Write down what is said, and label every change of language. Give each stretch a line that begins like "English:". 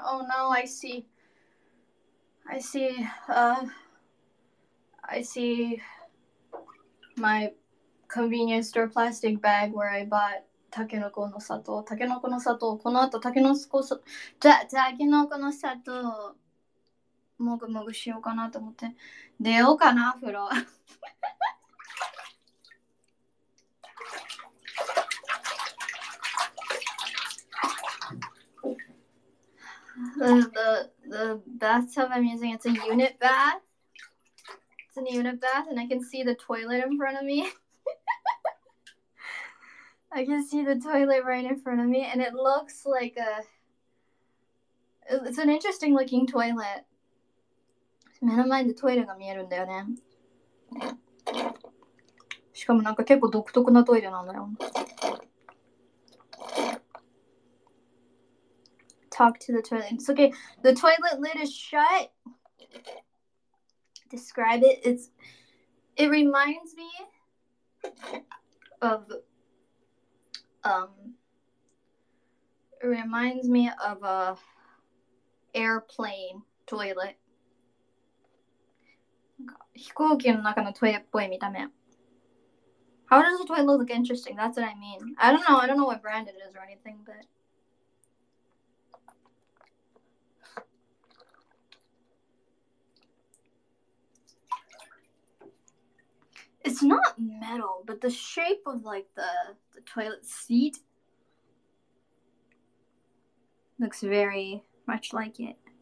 English: Oh no, I see. I see my convenience store plastic bag where I bought Takenoko no Sato. Takenoko no Sato.
Japanese: この後 Takenoko no Sato. Takenoko no Sato. もぐもぐしようかなと思って。出ようかな、風呂。
English: The bathtub I'm using, it's a unit bath. It's a unit bath, and I can see the toilet in front of me. I can see the toilet right in front of me, and it looks like a... It's an interesting looking toilet.
Japanese: 目の前でトイレが見えるんだよね。しかもなんか結構独特なトイレなんだよ。
English: Talk to the toilet. It's okay. The toilet lid is shut. Describe it. It reminds me of reminds me of a airplane toilet.
Japanese: 飛行機の中のトイレっぽい見た目。
English: How does the toilet look interesting? That's what I mean. I don't know what brand it is or anything, but... It's not metal, but the shape of like the toilet seat looks very much like it.